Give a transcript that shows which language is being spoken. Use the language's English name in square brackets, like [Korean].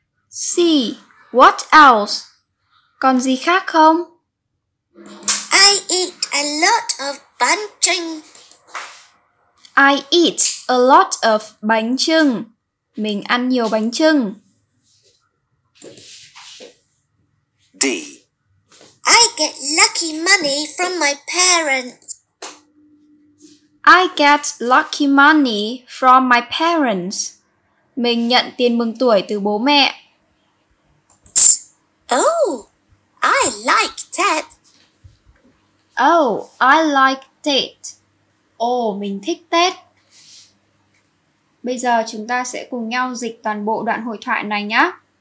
[Vietnamese] C. [English] What else? [Vietnamese] Còn gì khác không? [English] I eat a lot of bunching. I eat a lot of bánh chưng. [Vietnamese] Mình ăn nhiều bánh chưng. D. [English] I get lucky money from my parents. I get lucky money from my parents. [Vietnamese] Mình nhận tiền mừng tuổi từ bố mẹ. [English] Oh, I like Tết. Oh, I like Tết. Oh, [Vietnamese] mình thích Tết. Bây giờ chúng ta sẽ cùng nhau dịch toàn bộ đoạn hội thoại này nhé.